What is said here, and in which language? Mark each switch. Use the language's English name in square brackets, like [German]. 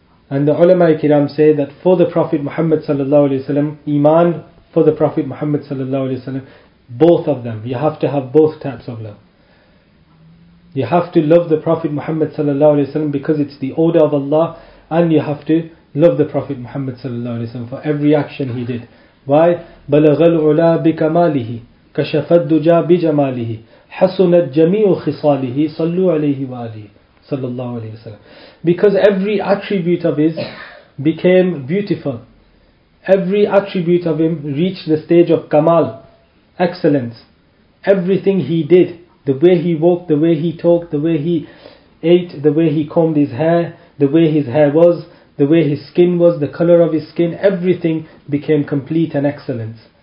[English] And the ulama kiram say that for the Prophet Muhammad sallallahu alayhi wa sallam, iman for the Prophet Muhammad sallallahu alayhi wa sallam, both of them, you have to have both types of love. You have to love the Prophet Muhammad sallallahu alayhi wa sallam because it's the order of Allah, and you have to love the Prophet Muhammad sallallahu alayhi wa sallam for every action he did. Why? [Arabic] بَلَغَ الْعُلَى بِكَمَالِهِ كَشَفَ الدُّجَى بِجَمَالِهِ حَسُنَتْ جَمِيعُ خِصَالِهِ صَلُّوا عَلَيْهِ وَآلِهِ sallallahu alayhi wa sallam. [English] Because every attribute of his became beautiful. Every attribute of him reached the stage of kamal, excellence. Everything he did, the way he walked, the way he talked, the way he ate, the way he combed his hair, the way his hair was, the way his skin was, the color of his skin, everything became complete and excellence.